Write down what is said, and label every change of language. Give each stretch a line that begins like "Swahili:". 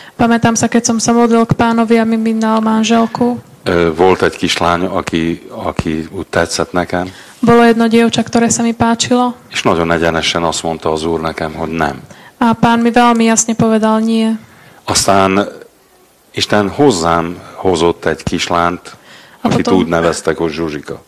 Slovak: Pamätám sa, keď som sa modlil k Pánovi, aby mi dal manželku.
Hungarian: Volt egy kislány, aki úgy tetszett nekem.
Slovak: Bolo jedno dievča, ktoré sa mi páčilo.
Hungarian: És nagyon egyenesen azt mondta az Úr nekem, hogy nem.
Slovak: A Pán mi veľmi jasne povedal nie.
Hungarian: Aztán Isten hozzám hozott egy kislányt, akit úgy neveztek, hogy Zsuzsika.